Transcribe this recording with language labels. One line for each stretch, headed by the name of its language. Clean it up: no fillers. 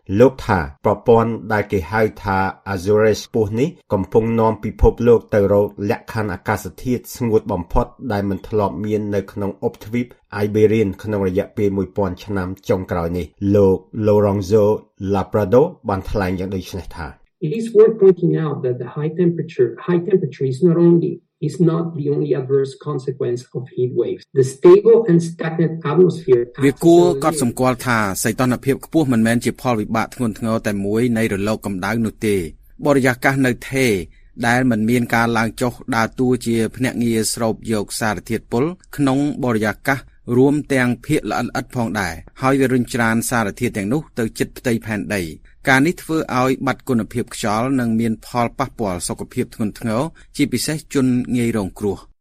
Khmer: លោកថាប្រព័ន្ធដែលគេហៅថា Azure ស្ពស់នេះកំពុងនាំពិភពលោកទៅរកលក្ខខណ្ឌអាកាសធាតុស្ងួតបំផុតដែលមិនធ្លាប់មាននៅក្នុងអបទ្វីប Iberian ក្នុងរយៈពេល1000ឆ្នាំចុងក្រោយនេះលោក Lorenzo Laprado បានថ្លែងយ៉ាងដូចនេះថា
English: It's worth pointing out that the high temperature is not the only adverse consequence of heat waves. The stable and stagnant atmosphere.
Khmer: វាគួរកត់សម្គាល់ថាសីតុណ្ហភាពខ្ពស់មិនមែនជាផលវិបាកធ្ងន់ធ្ងរតែមួយនៃរលកកម្ដៅនោះទេ។បរិយាកាសនៅថេរដែលមិនមានការឡើងចុះដើរតួជាភ្នាក់ងារស្រូបយកសារធាតុពុលក្នុងបរិយាកាសរួមទាំងភាគល្អិតល្អិតផងដែរ។ហើយវារុញច្រានសារធាតុទាំងនោះទៅជិតផ្ទៃផែនដី។ការនេះធ្វើឲ្យបាត់គុណភាពខ្យល់និងមានផលប៉ះពាល់សុខភាពធ្ងន់ធ្ងរជាពិសេសជនងាយរងគ្រោះ